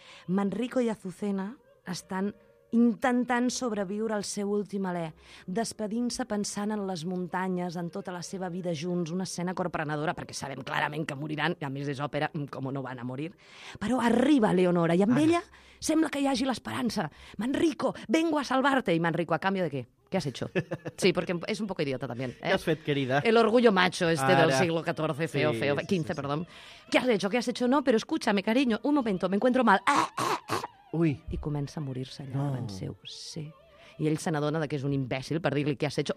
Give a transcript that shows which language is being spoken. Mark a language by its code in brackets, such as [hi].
[ca] Manrico i Azucena estan intentant sobreviure al seu últim alè, despedint-se pensant en les muntanyes, en tota la seva vida junts, una escena corprenedora, perquè sabem clarament que moriran, i a més és òpera, com no van a morir. Però arriba Leonora, i amb ella sembla que hi hagi l'esperança. [es] Manrico, vengo a salvarte. [ca] I Manrico, a canvio de què? [es] ¿Qué has hecho? Sí, porque es un poco idiota también. ¿Eh? ¿Qué has fet, querida? El orgullo macho este del siglo XIV, feo, sí, 15, sí, sí. Perdón. ¿Qué has hecho? No, pero escúchame, cariño, un momento, me encuentro mal. Ui. [ca] I comença a morir-se allà davant seu. Sí. I ell se n'adona que és un imbècil per dir-li què [es] has hecho.